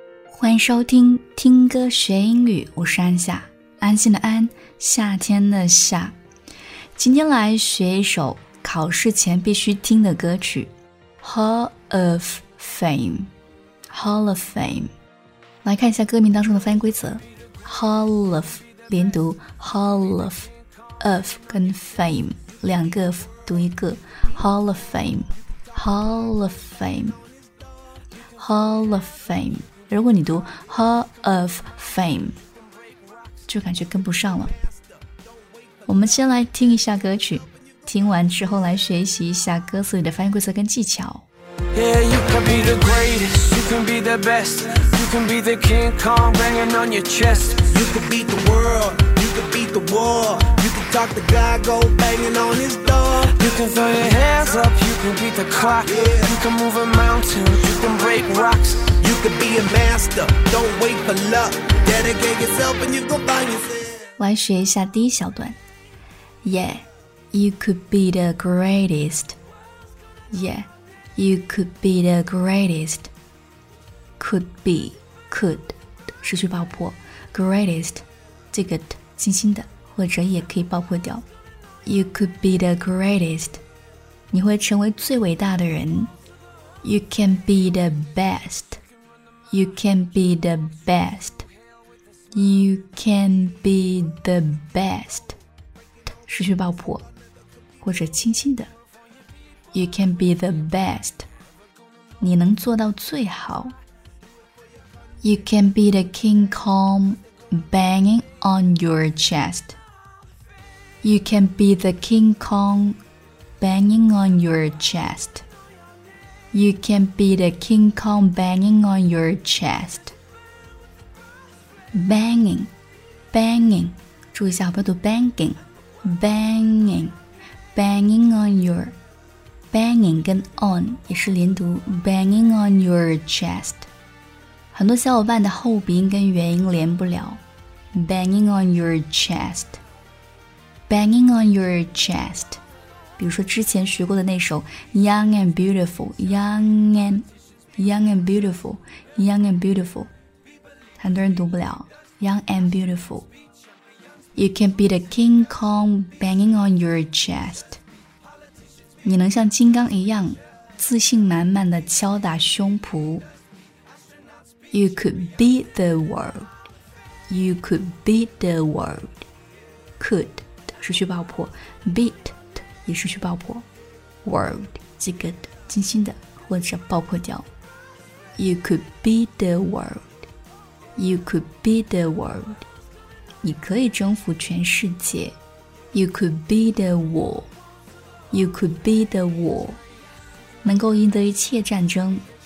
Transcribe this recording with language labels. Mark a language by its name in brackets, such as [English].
[Chinese] 欢迎收听听歌学英语，我是安夏，安心的安，夏天的夏。今天来学一首考试前必须听的歌曲 Hall of Fame。来看一下歌名当中的发音规则， Hall of 连读 Hall of of 跟 fame 两个 of 读一个 Hall of Fame Hall of Fame Hall of Fame。如果你读 Hall of Fame 就感觉跟不上了。我们先来听一下歌曲，听完之后来学习一下歌词里的发音规则跟技巧。 [English] Yeah, you can be the greatest, you can be the best, you can be the King Kong banging on your chest, you can beat the world, you can beat the war, you can talk the guy go banging on his door, you can throw your hands up, you can beat the clock, you can move a mountain, you can break rocksLet's learn the first part. Yeah, you could be the greatest. Yeah, you could be the greatest. [Chinese] Could be, could 失去爆破 greatest 这个 t 轻轻的，或者也可以爆破掉。 [English] You could be the greatest. [Chinese] 你会成为最伟大的人。 [English] You can be the best. You can be the best. You can be the best. [Chinese] 失去爆破，或者轻轻的。 [English] You can be the best. [Chinese] 你能做到最好。 [English] You can be the King Kong banging on your chest. You can be the King Kong banging on your chest. You can be the King Kong banging on your chest. Banging, banging. [Chinese] 注意一下，不要读 banging. [English] Banging, banging on your. Banging 跟 on [Chinese] 也是连读 [English] banging on your chest. [Chinese] 很多小伙伴的后鼻音跟元音连不了 [English] banging on your chest. Banging on your chest. [Chinese] 比如说之前学过的那首 [English] Young and Beautiful Young and Young and Beautiful Young and Beautiful [Chinese] 很多人读不了 [English] Young and Beautiful. You can be the King Kong banging on your chest. [Chinese] 你能像金刚一样自信满满的敲打胸脯。 [English] You could beat the world. You could beat the world. Could [Chinese] 失去爆破 [English] beat也失去爆破 world [Chinese] 这个轻轻的或者爆破掉 [English] you could be the world you could be the world [Chinese] 你可以征服全世界 [English] you could be the war you could be the war [Chinese] 能够赢得一切战争